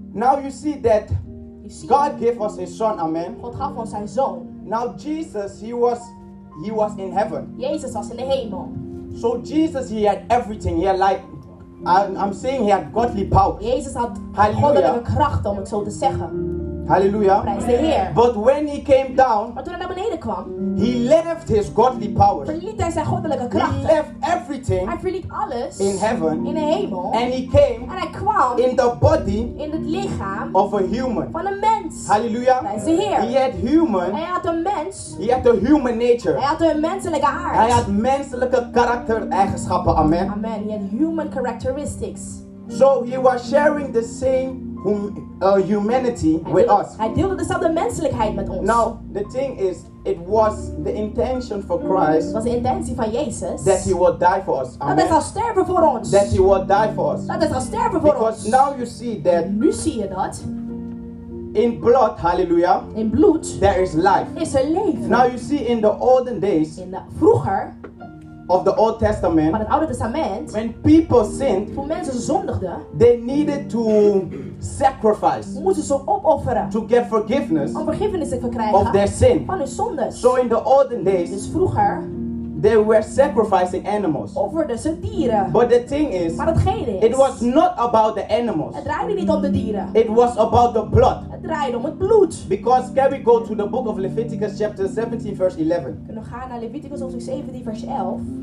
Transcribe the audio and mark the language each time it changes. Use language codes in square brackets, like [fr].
[en] Now you see that God gave us his son, amen. [nl] God gaf ons zijn zoon. [en] Now Jesus, he was in heaven. [nl] Jezus was in de hemel. [en] So Jesus, he had everything. He had like, I'm saying he had godly power. [nl] Jezus had goddelijke kracht, om het zo te zeggen. Hallelujah. Prijs de Heer. [en] But when he came down, [nl] maar toen hij naar beneden kwam, [en] he left his godly powers. [nl] Verliet hij zijn goddelijke krachten. [en] He left everything. [nl] Hij verliet alles. [en] In heaven. [nl] In de hemel. [en] And he came. [nl] En hij kwam. [en] In the body. [nl] In het lichaam. [en] Of a human. [nl] Van een mens. Hallelujah. Prijs de Heer. [en] He had human. [nl] Hij had een mens. [en] He had a human nature. [nl] Hij had een menselijke aard. Hij had menselijke karaktereigenschappen. Amen. Amen. [en] He had human characteristics. So he was sharing the same. Humanity with us. [nl] Hij deelde dezelfde menselijkheid met ons. [en] Now the thing is, it was the intention for Christ. [nl] Was de intentie van Jezus. [en] That he would die for us. [nl] Dat hij zou sterven voor ons. [en] That he would die for us. [nl] Dat hij zou sterven voor [en] because [nl] ons. [en] Because now you see that. [nl] Nu zie je dat. [en] In blood, hallelujah. [nl] In bloed. [en] There is life. [nl] Is er leven. [en] Now you see, in the olden days. [nl] In de vroeger. [en] of the Old Testament, [nl] van het Oude Testament, [en] when people sinned, [nl] toen mensen zondigden, [en] they needed to sacrifice, [nl] moesten ze opofferen, [en] to get forgiveness, [nl] om vergiffenis te verkrijgen, [en] of their sin, [nl] van hun zondes. [en] So in the olden days, [nl] dus vroeger, [en] they were sacrificing animals. [nl] Offerden ze dieren. [en] But the thing is, [nl] maar hetgeen is, [en] it was not about the animals. [nl] Het draaide niet om de dieren. [en] It was about the blood. [nl] Het draaide om het bloed. [en] Because can we go to the book of Leviticus chapter 17 verse 11? [nl] Kunnen we gaan naar Leviticus 17 vers 11?